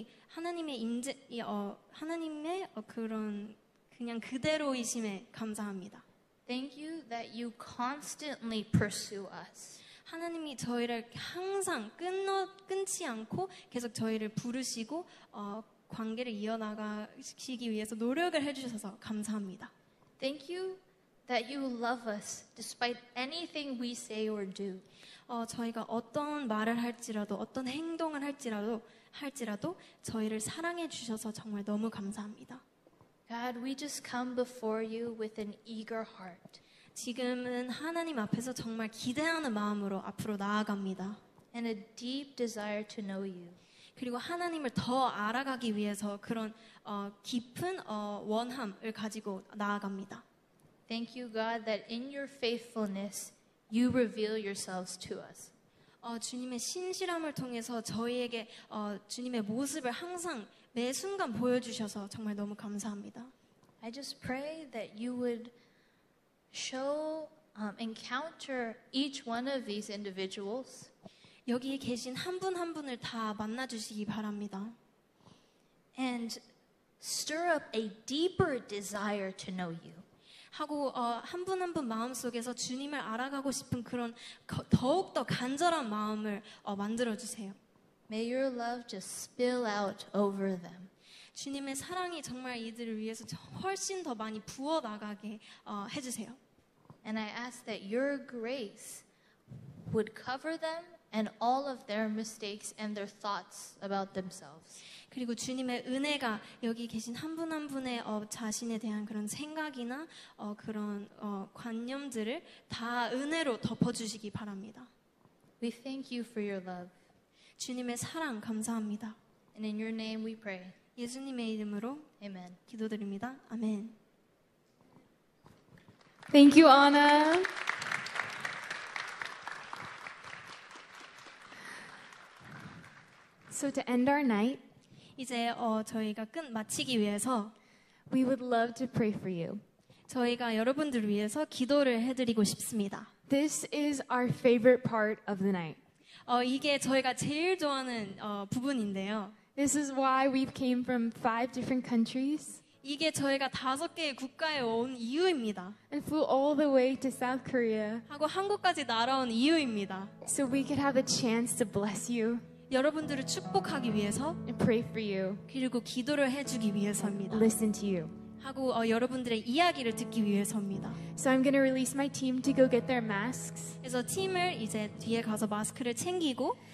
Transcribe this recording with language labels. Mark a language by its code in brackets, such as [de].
[ko] 하나님의 그런 그냥 그대로이심에 감사합니다. [en] Thank you that you constantly pursue us. [ko] 하나님이 저희를 항상 끊지 않고 계속 저희를 부르시고 관계를 이어나가시기 위해서 노력을 해주셔서 감사합니다. [en] Thank you that you love us despite anything we say or do. [ko] 저희가 어떤 말을 할지라도 어떤 행동을 할지라도 저희를 사랑해 주셔서 정말 너무 감사합니다. [en] God, we just come before you with an eager heart. [ko] 지금은 하나님 앞에서 정말 기대하는 마음으로 앞으로 나아갑니다. [en] And a deep desire to know you. [ko] 그리고 하나님을 더 알아가기 위해서 그런 깊은 원함을 가지고 나아갑니다. [en] Thank you, God, that in your faithfulness you reveal yourselves to us. [ko] 주님의 신실함을 통해서 저희에게 주님의 모습을 항상 매 순간 보여주셔서 정말 너무 감사합니다. [en] I just pray that you would show, encounter each one of these individuals. [ko] 여기 계신 한 분 한 분을 다 만나주시기 바랍니다. [en] And stir up a deeper desire to know you. [ko] 하고 한 분 한 분 마음 속에서 주님을 알아가고 싶은 그런 더욱더 간절한 마음을 만들어주세요. [en] May your love just spill out over them. [ko] 주님의 사랑이 정말 이들을 위해서 훨씬 더 많이 부어나가게 해주세요. [en] And I ask that your grace would cover them and all of their mistakes and their thoughts about themselves. [ko] 그리고 주님의 은혜가 여기 계신 한 분 한 분의 자신에 대한 그런 생각이나 그런 관념들을 다 은혜로 덮어주시기 바랍니다. [en] We thank you for your love. [ko] 주님의 사랑 감사합니다. [en] And in your name we pray. [ko] 예수님의 이름으로 [en] Amen. [ko] 기도드립니다. 아멘. [en] Thank you, Anna. So to end our night, [ko] 이제 저희가 마치기 위해서 [en] We would love to pray for you. [ko] 저희가 여러분들을 위해서 기도를 해드리고 싶습니다. [en] This is our favorite part of the night. [ko] 이게 저희가 제일 좋아하는 부분인데요. [en] This is why we came from five different countries. [ko] 이게 저희가 다섯 개의 국가에 온 이유입니다. [en] And flew all the way to South Korea. [ko] 하고 한국까지 날아온 이유입니다. [en] So we could have a chance to bless you. [ko] 여러분들을 축복하기 위해서 [en] And pray for you. [ko] 그리고 기도를 해주기 위해서입니다. [en] Listen to you. [ko] 하고 여러분들의 이야기를 듣기 위해서입니다. [en] So I'm going to release my team to go get their masks. [ko] 그래서 팀을 이제 뒤에 가서 마스크를 챙기고